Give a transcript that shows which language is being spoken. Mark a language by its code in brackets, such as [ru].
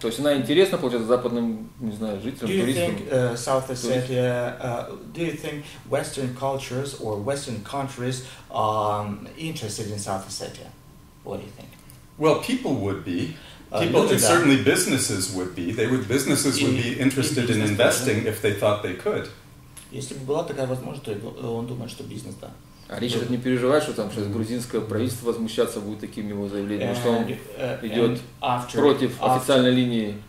[ru] То есть она интересна, получается, западным, не знаю, жителям, туристам? [en] Do you think South Ossetia, do you think Western cultures or Western countries are interested in South Ossetia? What do you think? Well, people would be. People, and certainly businesses would be. Businesses would be interested in investing if they thought they could. [ru] Если бы была такая возможность, то он думает, что бизнес, да. А Ричард не переживает, что там сейчас грузинское правительство возмущаться будет таким его заявлением, [en] and, [ru] что он идет против официальной линии.